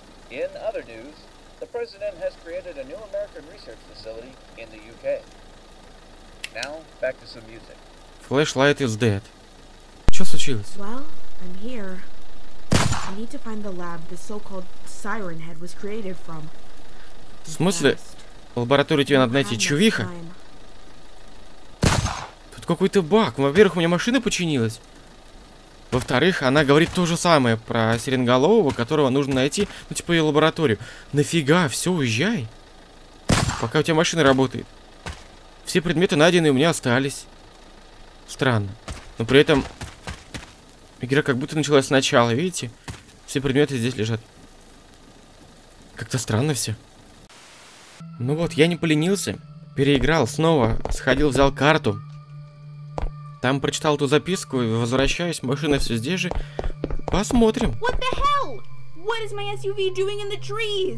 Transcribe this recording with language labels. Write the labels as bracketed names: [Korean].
[English] In other news, the president has created a new American research facility in the UK. Now, back to some music. Flashlight is dead. Что случилось? Well, I'm here. I need to find the lab the so-called siren head was created from. [Russian] В смысле? Лабораторию тебе надо найти, чувиха? Тут какой-то баг. Во-первых, у меня машина починилась. Во-вторых, она говорит то же самое про сиреноголового, которого нужно найти, ну, типа, ее лабораторию. Нафига? Все, уезжай. Пока у тебя машина работает. Все предметы найдены у меня остались. Странно. Но при этом... Игра как будто началась сначала, видите? Все предметы здесь лежат. Как-то странно все. Ну вот, я не поленился. Переиграл снова. Сходил, взял карту. Там прочитал ту записку и возвращаюсь. Машина все здесь же. Посмотрим. What the hell? [English] What is my SUV doing in the trees?